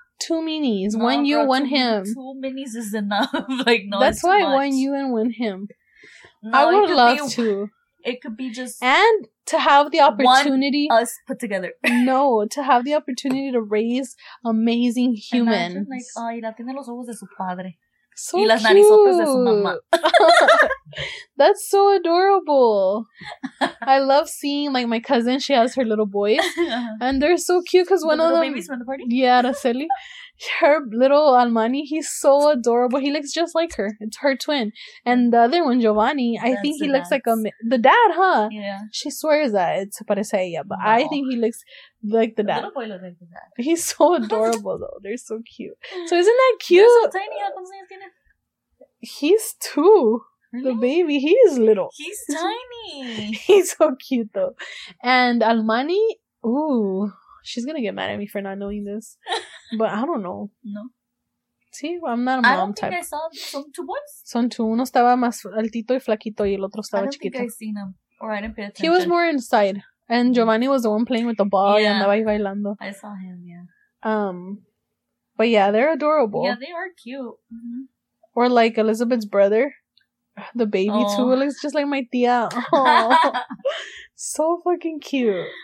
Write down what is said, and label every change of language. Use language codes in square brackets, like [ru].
[en] Two minis. No, one you, bro, one two, him. Two minis is enough. Like, no, that's why much. One you and one him. No, I would love to. It could be just... And to have the opportunity... One, us put together. No, to have the opportunity to raise amazing humans. Imagine, like, [es] ay, la tiene los ojos de su padre. So y las narizotas de su mamá. [en] That's so adorable. I love seeing, like, my cousin, she has her little boys. And they're so cute because one of them... babies from the party? Yeah, Araceli. Her little Almani, he's so adorable. He looks just like her. It's her twin. And the other one, Giovanni, I think he looks like the dad, huh? Yeah. She swears that it's [es] parece a ella, [en] but no. I think he looks like the dad. Little boy looks like the dad. He's so adorable, though. They're so cute. So isn't that cute? He's so tiny. He's two. Really? The baby, he's little. He's tiny. He's so cute, though. And Almani, ooh. She's going to get mad at me for not knowing this. But I don't know. No. See, well, I'm not a mom type. think I saw some two boys. [es] Son two. Uno estaba más altito y flaquito y el otro estaba chiquito. [en] I don't think I seen him. Or I didn't pay attention. He was more inside. And Giovanni was the one playing with the ball. [es] Yeah. Y andaba ahí bailando. [en] I saw him, yeah. But yeah, they're adorable. Yeah, they are cute. Mm-hmm. Or like Elizabeth's brother. The baby too. It looks just like my tia. So fucking cute.